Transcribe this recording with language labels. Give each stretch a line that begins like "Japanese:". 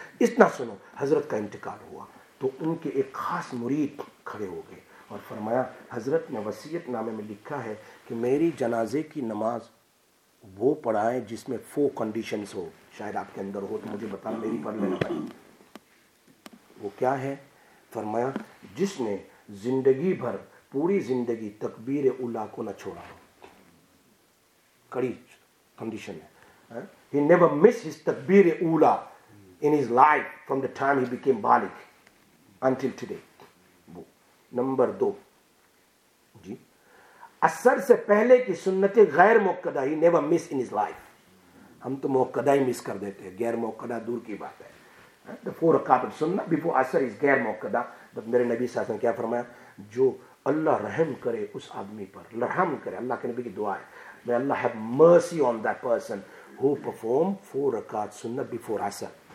Urdu: اتنا سنو، حضرت کا انتقال ہوا تو ان کے ایک خاص مرید کھڑے ہو گئے اور فرمایا، حضرت نے وصیت نامے میں لکھا ہے کہ میری جنازے کی نماز وہ پڑھائیں جس میں 4 conditions ہو، شاید آپ کے اندر ہو تو مجھے بتا میری پڑھ لینا بھائی. وہ کیا ہے؟ فرمایا، جس نے زندگی بھر پوری زندگی تکبیر اولا کو نہ چھوڑا ہو، کڑی کنڈیشن ہے.
English: He never missed his takbir ula in his life from the time he became baligh until today.
Urdu: Number دو، جی، اثر سے پہلے کی سنت غیر موقعہ ہی
English: never miss in his life.
Urdu: ہم تو موقعہ ہی مس کر دیتے ہیں، غیر موقعہ دور کی بات ہے.
English: The 4 rakat سننا before اثر is غیر موقعہ.
Urdu: میرے نبی صلی اللہ علیہ وسلم کیا فرمایا، جو اللہ رحم کرے اس آدمی پر، رحم کرے، اللہ کے نبی کی دعا ہے،
English: may Allah have mercy on that person who perform 4 rakat sunnah before asr.